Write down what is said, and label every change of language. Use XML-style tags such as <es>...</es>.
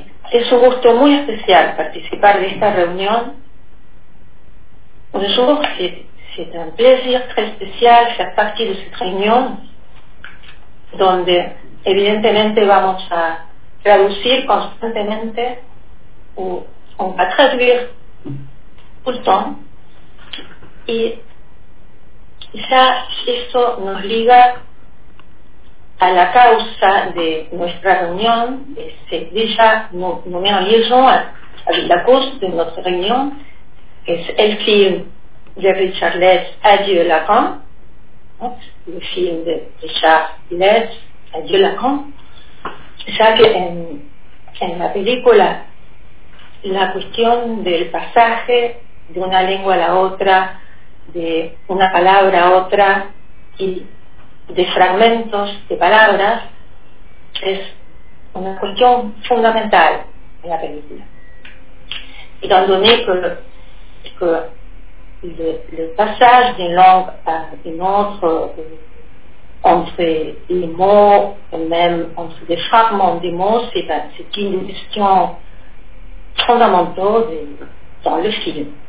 <es>Es un gusto muy especial participar de esta reunión.</es> <fr>Bonjour, c'est un plaisir très spécial faire partie de cette réunion,</fr> <es>donde evidentemente vamos a traducir constantemente</es> <fr>ou on va traduire tout le temps. Et ça,</fr> <es>eso nos liga</es> <fr>à</fr> <es>la causa de nuestra reunión,</es> <fr>c'est déjà nos liaisons avec la cause de notre réunion, c'est le film de Richard Letts, Adieu Lacan, le film de Richard Letts, Adieu Lacan.</fr> <es>Ya que en la película la cuestión del pasaje de una lengua a la otra, de una palabra a otra y de fragmentos de palabras es una cuestión fundamental en la película.</es> <fr>Étant donné que le passage d'une langue à une autre, entre les mots, même entre des fragments des mots, c'est une question fondamentale dans le film.</fr>